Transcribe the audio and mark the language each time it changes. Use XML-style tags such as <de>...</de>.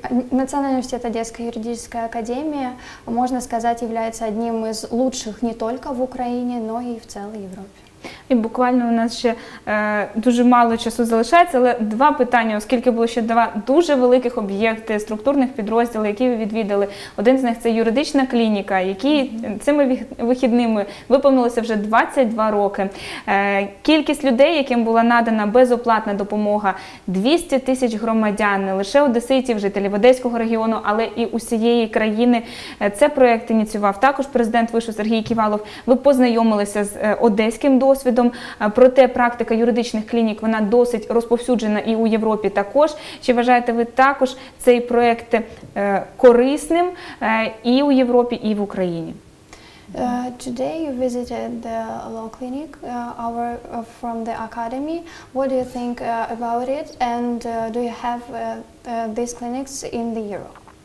<ru>Национальный университет Одесская юридическая академия, можно сказать, является одним из лучших не только в Украине, но и в целой Европе.</ru> <uk>І буквально у нас ще дуже мало часу залишається, але два питання, оскільки було ще два дуже великих об'єкти, структурних підрозділів, які ви відвідали. Один з них – це юридична клініка, якій цими вихідними виповнилося вже 22 роки. Кількість людей, яким була надана безоплатна допомога – 200 тисяч громадян, не лише одеситів, жителів Одеського регіону, але і усієї країни. Це проєкт ініціював також президент Вишу Сергій Ківалов. Ви познайомилися з одеським досвідом. Проте практика юридичних клінік, вона досить розповсюджена і у Європі також. Чи вважаєте ви також цей проєкт корисним і у Європі, і в Україні?</uk> <en>Today you visited the law clinic from the academy. What do you think about it? And do you have these clinics in the Europe?</en>